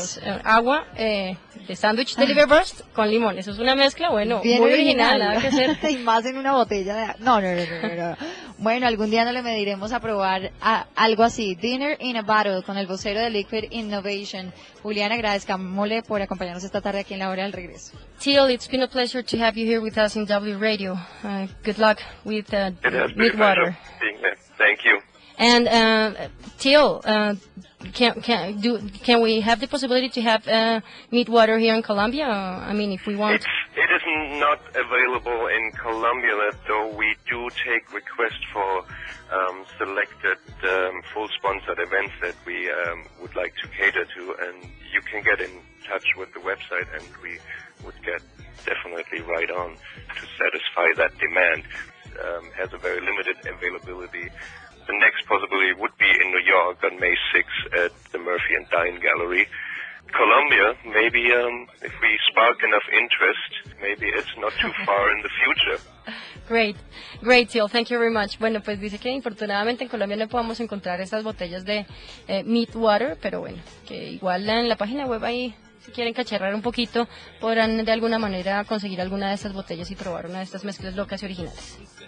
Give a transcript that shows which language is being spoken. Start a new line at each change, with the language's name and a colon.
Spanish: O sea, agua de sándwich de liverwurst con limón, eso es una mezcla, bueno, bien muy original, nada que hacer. Y más en una botella de... No. Bueno, algún día no le mediremos a probar algo así. Dinner in a Bottle con el vocero de Liquid Innovation. Juliana, agradezcamole por acompañarnos esta tarde aquí en La Hora del Regreso.
English: Till, it's been a pleasure to have you here with us in W Radio. Good luck with MeatWater. Thank you. And can we have the possibility to have MeatWater here in Colombia? I mean, if we want. It is not available in Colombia, though we do take requests for selected full-sponsored events that we would like to cater to, and you can get in touch with the website, and we would get definitely right on to satisfy that demand. It has a very limited availability. The next possibility would be in New York on May 6th at the Murphy and Dine Gallery. Colombia, maybe if we spark enough interest, maybe it's not too far in the future. Great, great deal, thank you very much.
Spanish: Bueno, pues dice que infortunadamente en Colombia no podemos encontrar esas botellas de MeatWater, pero bueno, que igual en la página web ahí, si quieren cacharrar un poquito, podrán de alguna manera conseguir alguna de estas botellas y probar una de estas mezclas locas y originales.